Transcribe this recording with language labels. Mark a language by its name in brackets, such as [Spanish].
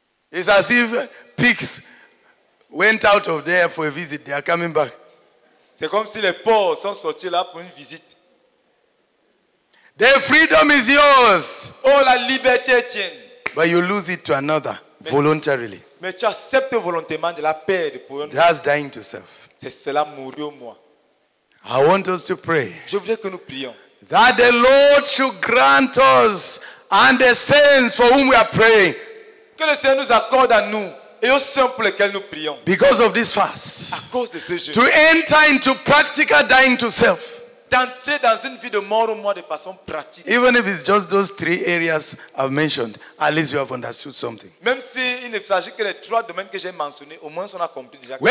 [English] It's as if pigs went out of there for a visit. They are coming back. [French] C'est comme si les porcs sont sortis là pour une visite. [English] The freedom is yours. [French] Oh, la liberté tienne. [English] But you lose it to another, mais, voluntarily. [French] Mais tu acceptes volontairement de la perdre pour un autre. [English] That's dying to self. [French] C'est cela mourir au moi. [English] I want us to pray. [French] Je voudrais que nous prions. [English] That the Lord should grant us and the saints for whom we are praying. [French] Que le Seigneur nous accorde à nous. Et aux saints pour lesquels nous prions. [English] Because of this fast. [French] À cause de ce jeûne. [English] To enter into practical dying to self. [French] D'entrer dans une vie de mort au moins de façon pratique. [English] Even if it's just those three areas I've mentioned, at least you have understood something. [French] Même si il ne s'agit que des trois domaines que j'ai mentionnés, au moins on a compris déjà.